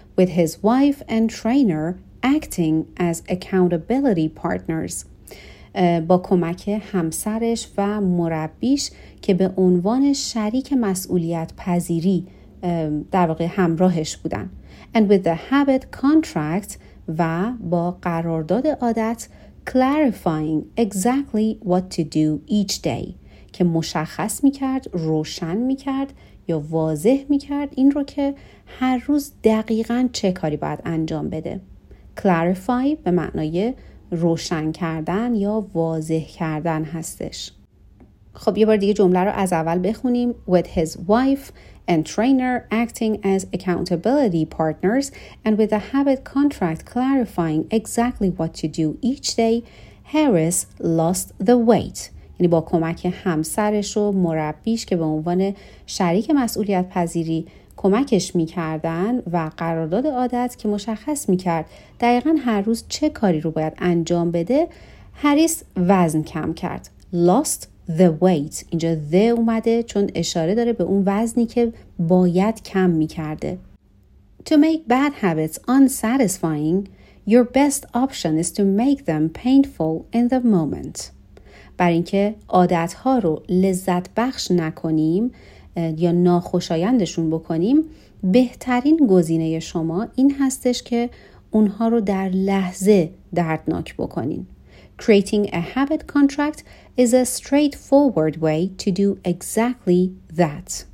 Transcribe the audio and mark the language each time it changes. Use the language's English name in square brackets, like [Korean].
[English] With his wife and trainer acting as accountability partners. [Persian] با کمک همسرش و مربیش که به عنوان شریک مسئولیت پذیری در واقع همراهش بودن. [English] And with the habit contract [Persian] و با قرارداد عادت [English] clarifying exactly what to do each day [Persian] که مشخص میکرد، روشن میکرد یا واضح میکرد این رو که هر روز دقیقاً چه کاری باید انجام بده. clarify به معنای روشن کردن یا واضح کردن هستش. خب یه بار دیگه جمله رو از اول بخونیم. [English] With his wife and trainer acting as accountability partners and with a habit contract clarifying exactly what to do each day, Harris lost the weight. [Persian] یعنی با کمک همسرش و مربیش که به عنوان شریک مسئولیت پذیری کمکش میکردن و قرارداد عادت که مشخص میکرد دقیقا هر روز چه کاری رو باید انجام بده، هریس وزن کم کرد. [English] Lost the weight. [Persian] اینجا the اومده چون اشاره داره به اون وزنی که باید کم میکرده. [English] To make bad habits unsatisfying, your best option is to make them painful in the moment. [Persian] برای اینکه عادتها رو لذت بخش نکنیم یا ناخوشایندشون بکنیم، بهترین گزینه شما این هستش که اونها رو در لحظه دردناک بکنین. [English] Creating a habit contract is a straightforward way to do exactly that.